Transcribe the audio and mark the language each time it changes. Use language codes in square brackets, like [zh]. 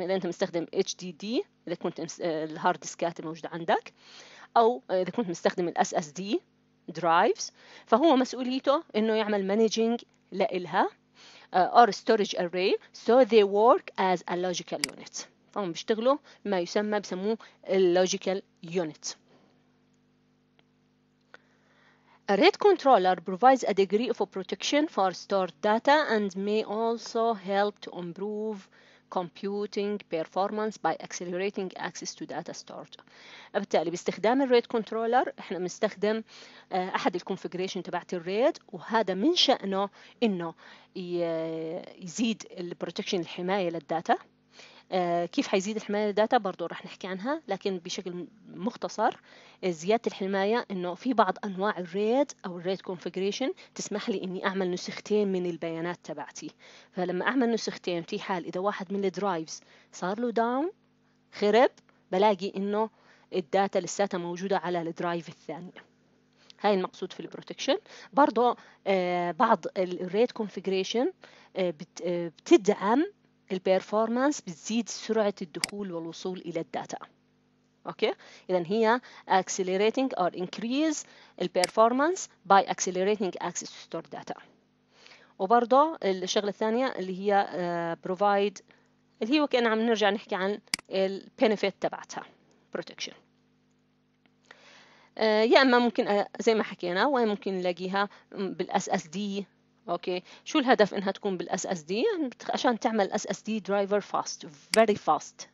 [ar] اذا انت مستخدم HDD اذا كنت الهارد ديسكات الموجودة عندك، او اذا كنت مستخدم SSD drives، فهو مسؤوليته انه يعمل managing لإلها [en] or storage array so they work as a logical unit. [ar] فهم بيشتغلوا ما يسمى بسموه logical unit. [en] A RAID controller provides a degree of protection for stored data and may also help to improve computing performance by accelerating access to data stored. [ar] بالتالي باستخدام الريد كنترولر احنا بنستخدم احد الكونفيجريشن تبعت الريد، وهذا من شأنه انه يزيد البروتكشن الحماية للداتا. كيف حيزيد الحماية للداتا برضو رح نحكي عنها، لكن بشكل مختصر زيادة الحماية انه في بعض انواع الريد او الريد كونفيجريشن تسمح لي اني اعمل نسختين من البيانات تبعتي. فلما اعمل نسختين في حال اذا واحد من الدرايفز صار له داون خرب، بلاقي انه الداتا لساتها موجودة على الدرايف الثانية. هاي المقصود في البروتكشن. برضو بعض الريد كونفيجريشن بتدعم البيرفورمانس، بتزيد سرعة الدخول والوصول إلى الداتا. أوكي؟ إذن هي [en] accelerating or increase البيرفورمانس by accelerating access to stored data. [ar] وبرضه الشغلة الثانية اللي هي provide، اللي هي وكأن عم نرجع نحكي عن ال benefit تبعتها protection. يا أما ممكن زي ما حكينا، وين ممكن نلاقيها؟ بالSSD. اوكي شو الهدف انها تكون بالاس اس دي؟ عشان تعمل اس اس دي درايفر فاست، فيري فاست.